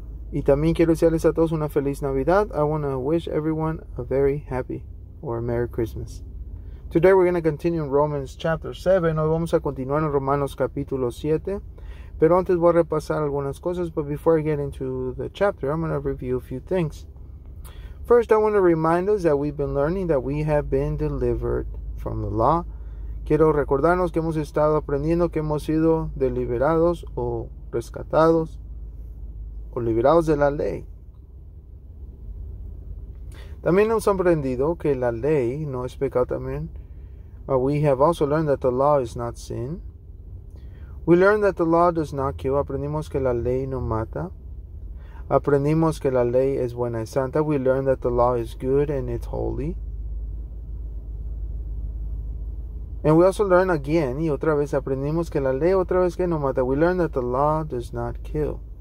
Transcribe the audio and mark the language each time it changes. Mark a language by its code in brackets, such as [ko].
[es] Y también quiero desearles a todos una feliz Navidad. [en] I want to wish everyone a very happy or a Merry Christmas. Today we're going to continue in Romans chapter 7. [es] Hoy vamos a continuar en Romanos capítulo 7. Pero antes voy a repasar algunas cosas. [en] But before I get into the chapter, I'm going to review a few things. First, I want to remind us that we've been learning that we have been delivered from the law. [es] Quiero recordarnos que hemos estado aprendiendo que hemos sido deliberados o rescatados o liberados de la ley. También hemos aprendido que la ley no es pecado también. [en] But we have also learned that the law is not sin. We learned that the law does not kill. [es] Aprendimos que la ley no mata. Aprendimos que la ley es buena y santa. [en] We learned that the law is good and it's holy. And we also learned again, [es] y otra vez aprendimos que la ley otra vez que no mata. [en] We learned that the law does not kill.